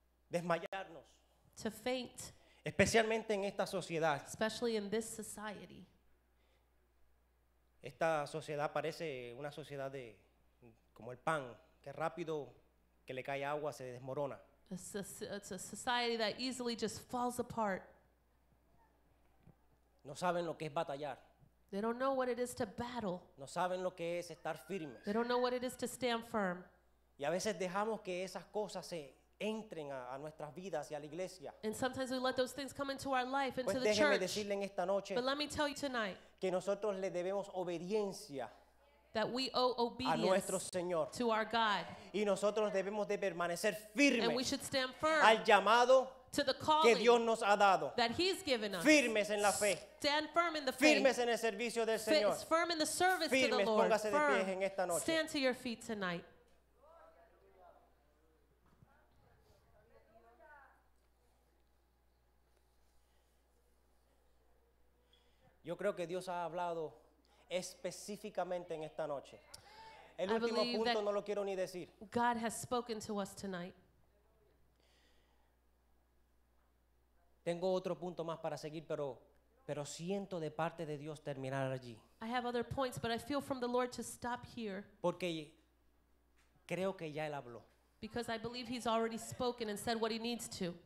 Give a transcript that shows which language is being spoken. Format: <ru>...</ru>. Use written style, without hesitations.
<es>Desmayarnos.</es> <en>To faint.</en> <es>Especialmente en esta sociedad.</es> <en>Especially in this society.</en> <es>Esta sociedad parece una sociedad de como el pan, que rápido que le cae agua se desmorona.</es> <en>It's a society that easily just falls apart.</en> <es>No saben lo que es batallar.</es> <en>They don't know what it is to battle.</en> <es>No saben lo que es estar firmes.</es> <en>They don't know what it is to stand firm.</en> <es>Y a veces dejamos que esas cosas se entren a nuestras vidas y a la iglesia.</es> <en>And sometimes we let those things come into our life, into</en> <es>pues</es> <en>the church.</en> <es>Pues déjeme decirle en esta noche.</es> <en>But let me tell you tonight.</en> <es>Que nosotros le debemos obediencia.</es> <en>That we owe obedience</en> <es>a nuestro Señor.</es> <en>To our God.</en> <es>Y nosotros debemos de permanecer firmes.</es> <en>And we should stand firm.</en> <es>Al llamado.</es> <en>to the calling</en> <es>que Dios nos ha dado.</es> <en>That he's given us.</en> <es>Firmes en la fe.</es> <en>Stand firm in the</en> <es>firmes</es> <en>faith.</en> <es>En el servicio del Señor.</es> <en>Firm in the service</en> <es>firmes,</es> <en>to the Lord.</en> <es>Póngase</es> <en>firm.</en> <es>De pie en esta noche.</es> <en>Stand to your feet tonight.</en> <es>Yo creo que Dios ha hablado específicamente en esta noche. El</es> <en>I</en> <es>último punto no lo quiero ni decir.</es> <en>God has spoken to us tonight.</en> <es>Tengo otro punto más para seguir, pero siento de parte de Dios terminar allí.</es> <en>I have other points, but I feel from the Lord to stop here.</en> <es>Porque creo que ya él habló.</es> <en>Because I believe he's already spoken and said what he needs to.</en>